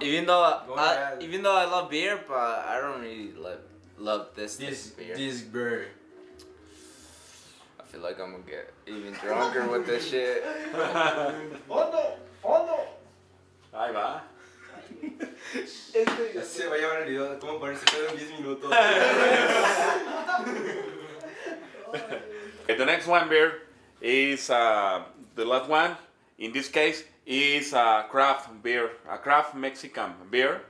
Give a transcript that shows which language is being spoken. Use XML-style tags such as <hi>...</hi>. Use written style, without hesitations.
<en>Even though I love beer, but I don't really love this beer. This beer. I feel like I'm gonna get even drunker with this shit.</en> <es>¡Fondo! ¡Fondo! Ahí va. Se va a llevar el video de cómo ponerse pedo en 10 minutos.</es> <en>Okay, the next one, beer. Is the last one in this case is a craft beer, a craft Mexican beer.</en>